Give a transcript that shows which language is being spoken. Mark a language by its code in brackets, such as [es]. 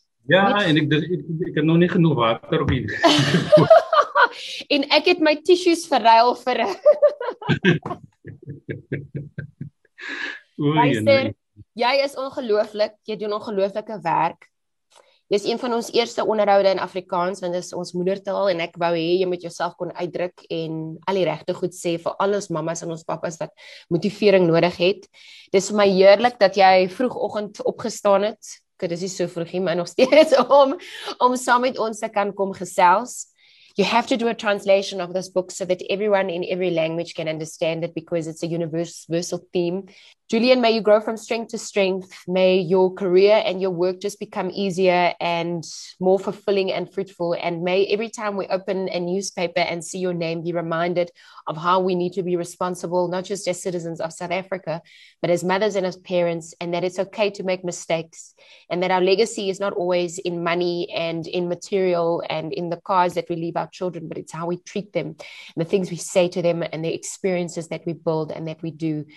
[af] Ja, en ek het nog nie genoeg water op hier. En ek het my tissues verruil vir Luister, jy is ongelooflik. Jy doen ongelooflike werk. Jy is een van ons eerste onderhoude in Afrikaans, want dit is ons moedertaal en ek wou hê jy moet jouself kon uitdruk en al die regte goed sê vir al ons mamas en ons papas wat motivering nodig het. Dis vir my heerlik dat jy vroegoggend opgestaan het. Okay, dis nie so vroeg nie, maar nog steeds om saam met ons te kan kom gesels. [en] You have to do a translation of this book so that everyone in every language can understand it, because it's a universal theme. Julian, may you grow from strength to strength. May your career and your work just become easier and more fulfilling and fruitful. And may every time we open a newspaper and see your name, be reminded of how we need to be responsible, not just as citizens of South Africa, but as mothers and as parents, and that it's okay to make mistakes, and that our legacy is not always in money and in material and in the cars that we leave our children, but it's how we treat them, and the things we say to them, and the experiences that we build and that we do.